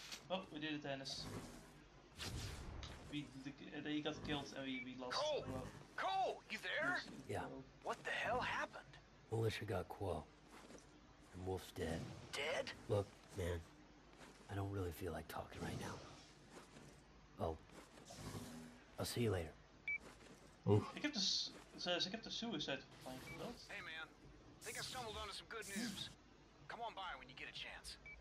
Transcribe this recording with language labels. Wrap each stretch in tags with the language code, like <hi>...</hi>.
<en>Oh, we did it, Dennis. He got killed and we lost. Cole! You there? Yeah. What the hell happened? Militia got Quo. And Wolf's dead. Dead? Look, man. I don't really feel like talking right now. Well, I'll see you later. Oof.</en> <nl>Ik heb de suicide plan gebeld.</nl> <en>Hey man, I think I stumbled onto some good news. Come on by when you get a chance.</en>